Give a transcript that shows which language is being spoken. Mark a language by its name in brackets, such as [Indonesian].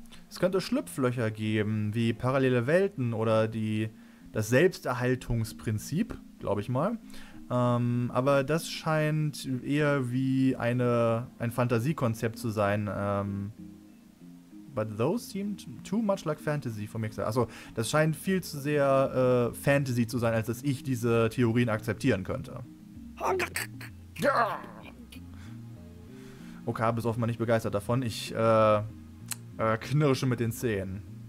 [German] Es könnte Schlupflöcher geben, wie parallele Welten oder das Selbsterhaltungsprinzip, glaube ich mal. Aber das scheint eher wie ein Fantasiekonzept zu sein. [English] But those seemed too much like fantasy for me. [German] Also, das scheint viel zu sehr Fantasy zu sein, als dass ich diese Theorien akzeptieren könnte. Okabe ist offenbar nicht begeistert davon. Ich knirsche mit den Zähnen.